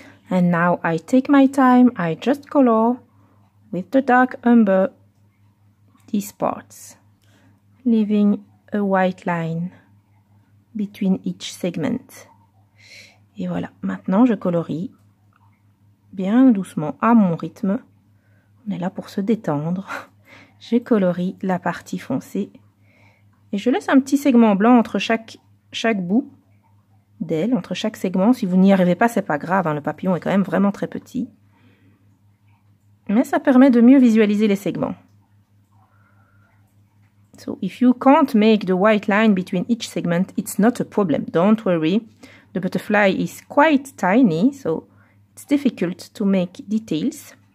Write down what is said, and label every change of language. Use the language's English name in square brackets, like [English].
[English] And now I take my time, I just color with the dark umber these parts, leaving a white line between each segment. [French] Et voilà, maintenant je colorie bien doucement à mon rythme. On est là pour se détendre. Je colorie la partie foncée et je laisse un petit segment blanc entre chaque bout. D'elle, entre chaque segment. Si vous n'y arrivez pas, c'est pas grave, hein. Le papillon est quand même vraiment très petit. Mais ça permet de mieux visualiser les segments. [English] So, if you can't make the white line between each segment, it's not a problem. Don't worry. The butterfly is quite tiny, so it's difficult to make details.